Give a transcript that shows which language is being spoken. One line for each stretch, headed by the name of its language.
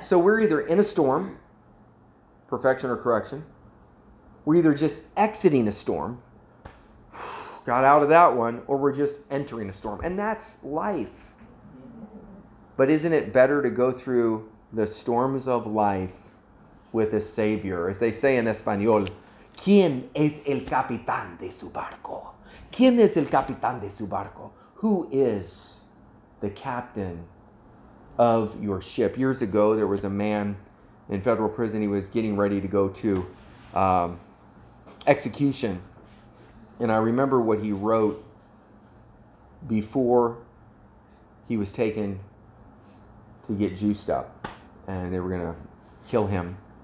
English: So we're either in a storm, perfection or correction. We're either just exiting a storm, got out of that one, or we're just entering a storm. And that's life. But isn't it better to go through the storms of life with a savior? As they say in Espanol,
Spanish: ¿Quién es el capitán de su barco? ¿Quién es el capitán de su barco?
English: Who is the captain of your ship? Years ago, there was a man in federal prison. He was getting ready to go to execution. And I remember what he wrote before he was taken to get juiced up and they were going to kill him.